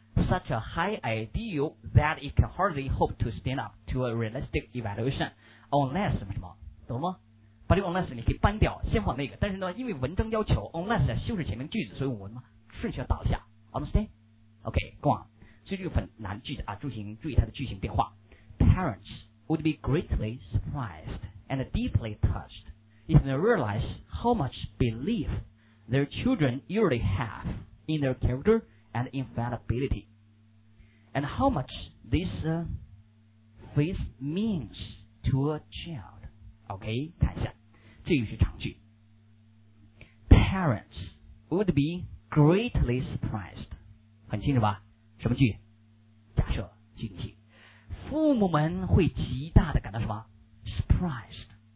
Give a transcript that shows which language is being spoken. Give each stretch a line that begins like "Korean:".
English: such a high ideal that it can hardly hope to stand up to a realistic evaluation unless
Chinese: 什么什么，懂吗？把这个 unless 你可以搬掉，先放那个，但是呢因为文章要求 unless 修饰前面句子，所以我们顺序要倒下，
English: understand OK， go on。
Chinese: 所以这个很难句子啊，注意它的句型变化。
English: parents would be greatly surprisedand deeply touched if they realize how much belief their children usually have in their character and infallibility, and how much this faith means to a child.
Chinese: OK， 看一下，这就是长句。
English: Parents would be greatly surprised，
Chinese: 很清楚吧？什么句？假设句子。父母们会极大的感到什么 ？Surprised。